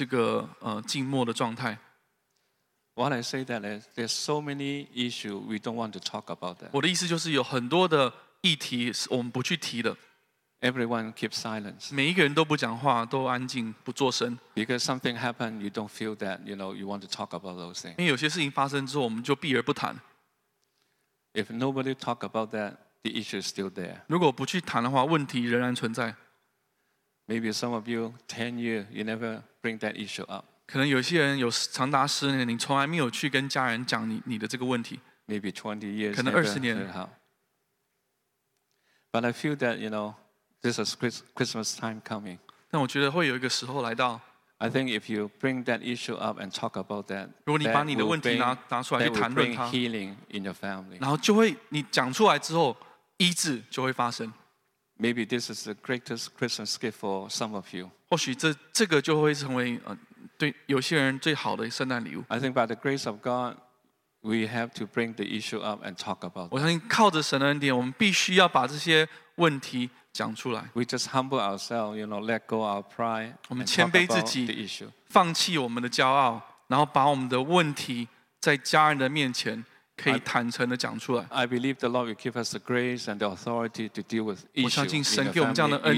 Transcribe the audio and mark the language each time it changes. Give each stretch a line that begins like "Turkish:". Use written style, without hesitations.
Chinese: 我就觉得说，在家的里面，如果要有医治的话，要停止这个静默的状态。
English: What I say that is, there's so many issues we don't want to talk about that.
Chinese: 我的意思就是有很多的议题是我们不去提的。
English: Everyone keeps silence.
Chinese: 每一个人都不讲话，都安静，不作声。
English: Because something happened, you don't feel that, you know, you want to talk about those things.
Chinese: 因为有些事情发生之后，我们就避而不谈。
English: If nobody talk about that, the issue is still there.
Chinese: 如果不去谈的话，问题仍然存在。
English: Maybe some of you, 10 years, you never bring that issue up.
Chinese: 可能有些人有长达10年, 你从来没有去跟家人讲你的这个问题。
English: Maybe 20 years.
Chinese: 可能20年。
English: But I feel that, you know, this is Christmas time coming.
Chinese: 但我觉得会有一个时候来到,
English: I think if you bring that issue up and talk about that, that will bring healing in your family.
Chinese: 然后就会你讲出来之后，医治就会发生。
English: Maybe this is the greatest Christmas gift for some of you.
Chinese: 或许这个就会成为对有些人最好的圣诞礼物。
English: I think by the grace of God, we have to bring the issue up and talk about it.
Chinese: 我相信靠着神的恩典，我们必须要把这些问题讲出来。
English: We just humble ourselves, you know, let go our pride.
Chinese: 我们谦卑自己， 放弃我们的骄傲，然后把我们的问题在家人的面前。
English: I believe the Lord will give us the grace and the authority to deal with issues.